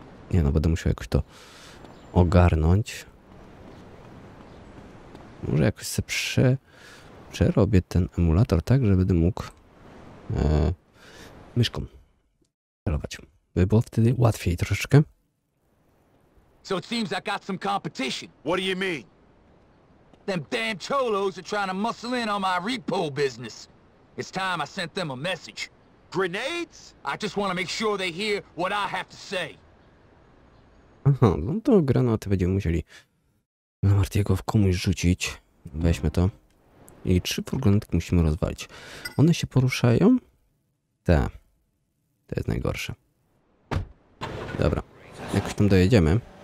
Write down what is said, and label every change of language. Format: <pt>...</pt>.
<pl>Nie no, będę musiał jakoś to ogarnąć. Może jakoś sobie przerobię ten emulator tak, że będę mógł myszką szczelować. By było wtedy łatwiej troszeczkę.</pl> <en>So it seems I got some competition. What do you mean? Them damn cholos are trying to muscle in on my repo business. It's time I sent them a message. Grenades? I just want to make sure they hear what I have to say.</en> <pl>Aha, no to granaty będziemy musieli Martiego w komuś rzucić. Weźmy to. I trzy furgonetki musimy rozwalić. One się poruszają? Te. To jest najgorsze. Dobra. Jakoś tam dojedziemy.</pl>